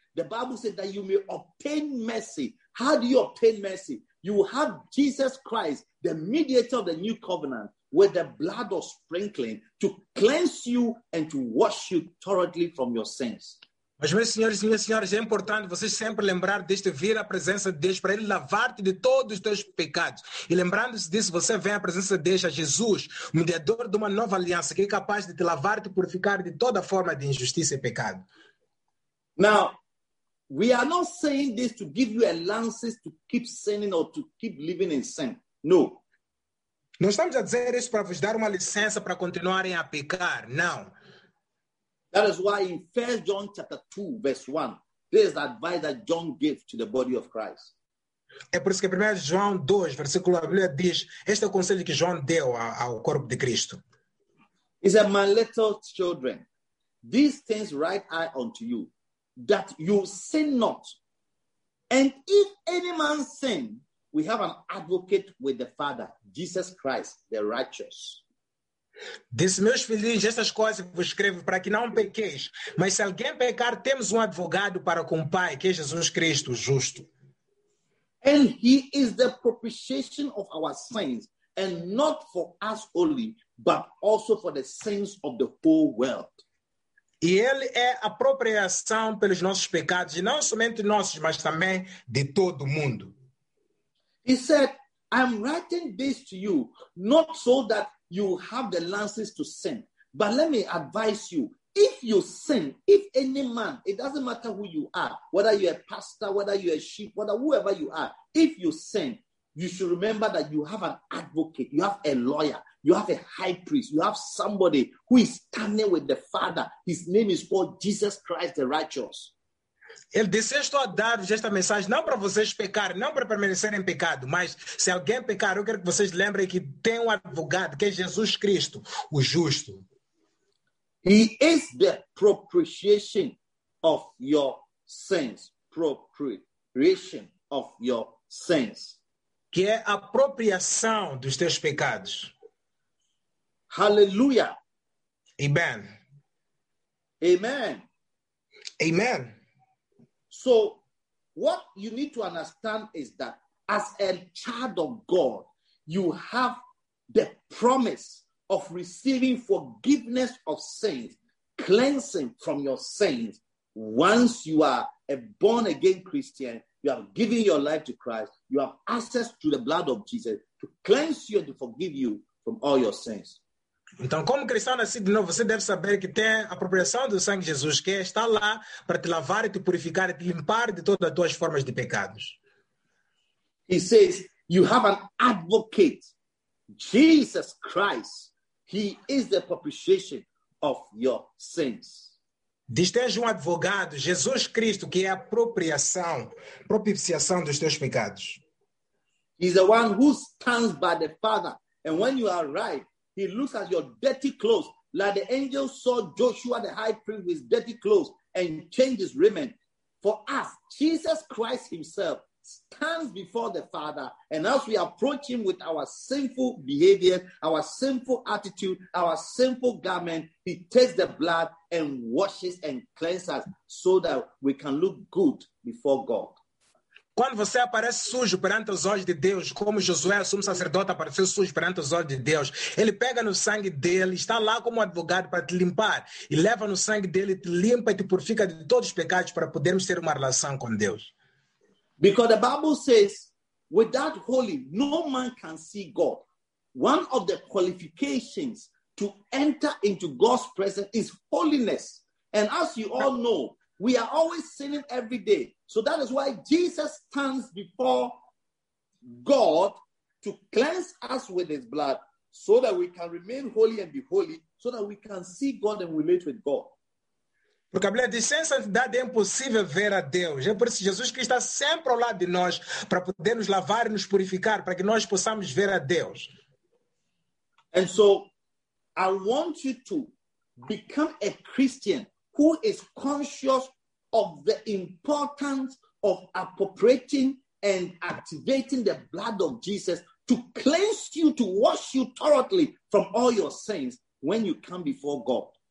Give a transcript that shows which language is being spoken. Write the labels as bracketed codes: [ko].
[en] The Bible said that you may obtain mercy. How do you obtain mercy? You have Jesus Christ, the mediator of the new covenant, with the blood of sprinkling to cleanse you and to wash you thoroughly from your sins. [pt] Mas, meus senhores e minhas senhoras, é importante vocês sempre lembrar deste vir à presença de Deus para ele lavar-te de todos os teus pecados. E lembrando-se disso, você vem à presença de Deus, a Jesus, mediador de uma nova aliança, que é capaz de te lavar e te purificar de toda forma de injustiça e pecado. [en] Now, we are not saying this to give you a license to keep sinning or to keep living in sin. No. [pt] Não estamos a dizer isso para vos dar uma licença para continuarem a pecar. Não. [en] That is why in 1 John chapter 2, verse 1, there is the advice that John gave to the body of Christ. [pt] É por isso que 1 João 2, versículo 1, diz, este é o conselho que João deu ao corpo de Cristo. [en] He said, my little children, these things write I unto you, that you sin not. And if any man sin, we have an advocate with the Father, Jesus Christ, the righteous. [pt] Disse, meus filhinhos, estas coisas que vos escrevo para que não pequeis, mas se alguém pecar, temos advogado para com o Pai, que é Jesus Cristo, justo. [en] And he is the propitiation of our sins, and not for us only, but also for the sins of the whole world. [pt] E ele é a propiciação pelos nossos pecados, e não somente nossos, mas também de todo o mundo. [en] He said, I'm writing this to you, not so that you have the lances to sin. But let me advise you, if you sin, if any man, it doesn't matter who you are, whether you're a pastor, whether you're a sheep, whether whoever you are, if you sin, you should remember that you have an advocate, you have a lawyer, you have a high priest, you have somebody who is standing with the Father. His name is called Jesus Christ the Righteous. [pt] Ele disse, estou a dar-vos esta mensagem não para vocês pecarem, não para permanecerem em pecado, mas se alguém pecar, eu quero que vocês lembrem que tem um advogado, que é Jesus Cristo, o justo. [en] He is the propitiation of your sins. Propitiation of your sins. [pt] Que é a apropriação dos teus pecados. [en] Hallelujah. Amen. Amen. Amen. So, what you need to understand is that as a child of God, you have the promise of receiving forgiveness of sins, cleansing from your sins. Once you are a born-again Christian, you have given your life to Christ, you have access to the blood of Jesus to cleanse you and to forgive you from all your sins. [pt] Então, como cristão nascido de novo, você deve saber que tem a apropriação do sangue de Jesus, que está lá para te lavar e te purificar e te limpar de todas as tuas formas de pecados. [en] He says, you have an advocate, Jesus Christ. He is the propitiation of your sins. [pt] Diz, tens um advogado, Jesus Cristo, que é a apropriação, propiciação dos teus pecados. [en] He's the one who stands by the Father. And when you arrive, he looks at your dirty clothes, like the angel saw Joshua the high priest with dirty clothes and changed his raiment. For us, Jesus Christ himself stands before the Father, and as we approach him with our sinful behavior, our sinful attitude, our sinful garment, he takes the blood and washes and cleanses us so that we can look good before God. [pt] Quando você aparece sujo perante os olhos de Deus, como Josué, sumo sacerdote, apareceu sujo perante os olhos de Deus, ele pega no sangue dele, está lá como advogado para te limpar, e leva no sangue dele, te limpa e te purifica de todos os pecados para podermos ter uma relação com Deus. [en] Because the Bible says, without holy, no man can see God. One of the qualifications to enter into God's presence is holiness. And as you all know, we are always sinning every day. So that is why Jesus stands before God to cleanse us with his blood so that we can remain holy and be holy, so that we can see God and relate with God. [pt] Porque a Bíblia diz, sem santidade é impossível ver a Deus. É por isso que Jesus Cristo está sempre ao lado de nós para poder nos lavar e nos purificar, para que nós possamos ver a Deus. [en] And so, I want you to become a Christian who is conscious of the importance of appropriating and activating the blood of Jesus to cleanse you, to wash you thoroughly from all your sins when you come before God.